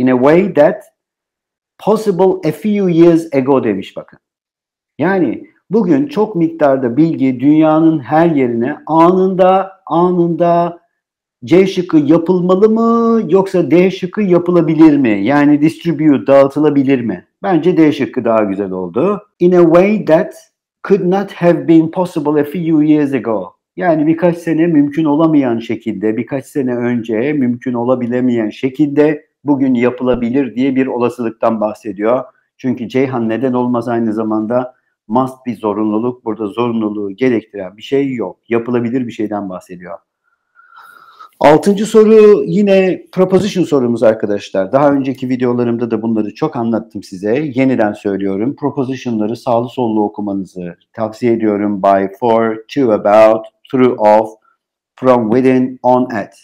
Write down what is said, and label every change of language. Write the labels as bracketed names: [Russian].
[English] In a way that possible a few years ago [Turkish] demiş bakın. Yani bugün çok miktarda bilgi dünyanın her yerine anında C şıkkı yapılmalı mı yoksa D şıkkı yapılabilir mi? Yani distribute, dağıtılabilir mi? Bence D şıkkı daha güzel oldu. [English] In a way that could not have been possible a few years ago. [Turkish] Yani birkaç sene mümkün olamayan şekilde, birkaç sene önce mümkün olabilemeyen şekilde bugün yapılabilir diye bir olasılıktan bahsediyor. Çünkü Ceyhan neden olmaz aynı zamanda? Must bir zorunluluk. Burada zorunluluğu gerektiren bir şey yok. Yapılabilir bir şeyden bahsediyor. 6. soru yine proposition sorumuz arkadaşlar. Daha önceki videolarımda da bunları çok anlattım size. Yeniden söylüyorum. Propositionları sağlı sollu okumanızı tavsiye ediyorum. [English] By, for, to, about, through, of, from, within, on, at.